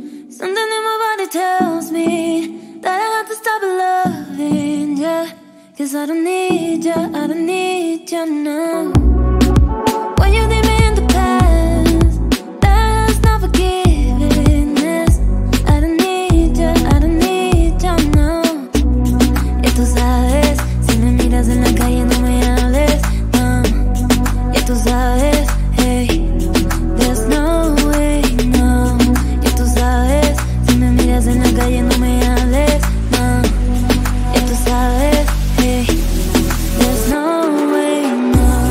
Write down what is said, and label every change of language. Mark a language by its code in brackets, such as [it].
[en] Something in my body tells me that I have to stop loving ya. Cause I don't need ya, I don't need ya, no. When you leave me in the past, that's not forgiveness. I don't need ya, I don't need ya, no. [es] Y tú sabes, si me miras en la calle no me hables, no. Y tú sabes, [en] hey, there's no way, no. [es] Y tú sabes, si me miras en la calle no me hables, no. Y tú sabes, [en] hey, there's no way, no.